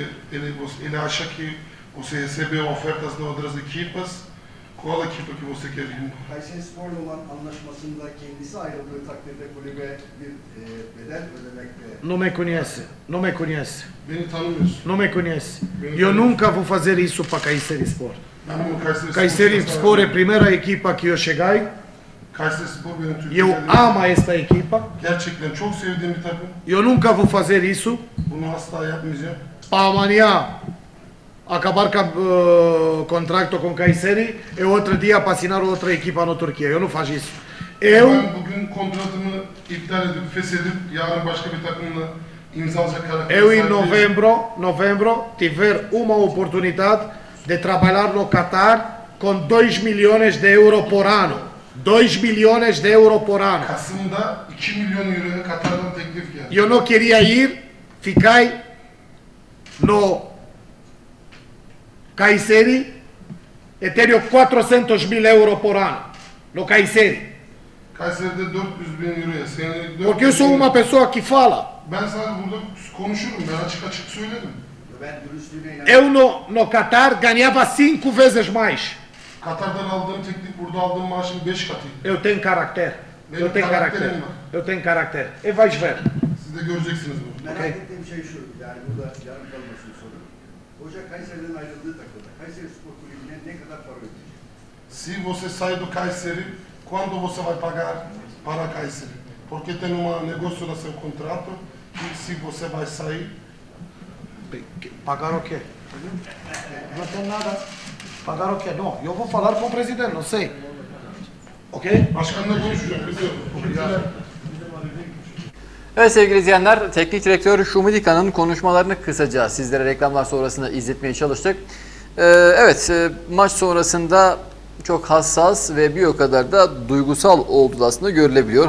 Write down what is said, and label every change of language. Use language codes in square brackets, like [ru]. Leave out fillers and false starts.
[pt] Ele acha que você recebeu ofertas de outras equipas. Qual equipe que você quer ir? [tr] Kayserispor'la olan anlaşmasında kendisi ayrıldığı takdirde kulübe bir bedel ödemekte. [pt] Não me conhece. [tr] Beni tanımıyorsun. [pt] Não me conhece. Eu nunca vou fazer isso para Kayserispor. [tr] Ben bu Kayserispor. [pt] Kayserispor é primeira equipa que eu cheguei. [tr] Kayserispor benim Türkiye'de. [pt] Eu amo esta equipa. [tr] Gerçekten çok sevdiğim bir takım. [pt] Eu nunca vou fazer isso. [tr] Bunu asla yapmayacağım. [pt] Para amanhã. Acabar com o contrato com Kayseri e outro dia assinar outra equipa na Turquia. Eu não faço isso. Eu [tr] bugün kontratımı iptal edip feshedip yarın başka bir takımla imzalayacak karar. [pt] Eu em novembro tiver uma oportunidade de trabalhar no Qatar com 2 milhões de euros por ano. 2 milhões de euros por ano. [tr] Kasım'da 2 milyon euroya Katar'dan teklif geldi. [pt] Eu não queria ir, fiquei no Kayseri e tenho 400 mil euros por ano no Kayseri. [tr] Kayseri'de 400 bin euro ya. [pt] Porque eu sou uma pessoa que fala. [tr] Ben sana burada konuşurum. Ben açık açık söylerim. Ben dürüstlüğüme inanıyorum. [pt] Eu no Qatar ganhava 5 vezes mais. [tr] Katar'dan aldığım teklif burada aldığım maaşın 5 katıydı. [pt] Eu tenho karakter. Eu tenho karakter. Eu tenho karakter. E vais ver. [tr] Siz de göreceksiniz bunu. Merak ettiğim şey şu. Yani burada yarım kalmasın sorun. Hoca Kayseri'den ayrıldığı takımda Kayseri Spor Kulübü'ne ne kadar para ödeyecek? [pt] Se você sair do Kayseri, quando você vai pagar para Kayseri? Porque tem uma negócio no seu contrato e se você vai sair... Pagar o quê? Não tem nada. Pagar o quê? Não, eu vou falar com o presidente, não sei. [en] Ok? [tr] Başkanla konuşacağım, biliyorum. Evet sevgili izleyenler, teknik direktör Şumudika'nın konuşmalarını kısaca sizlere reklamlar sonrasında izletmeye çalıştık. Evet, maç sonrasında çok hassas ve bir o kadar da duygusal olduğu aslında görülebiliyor.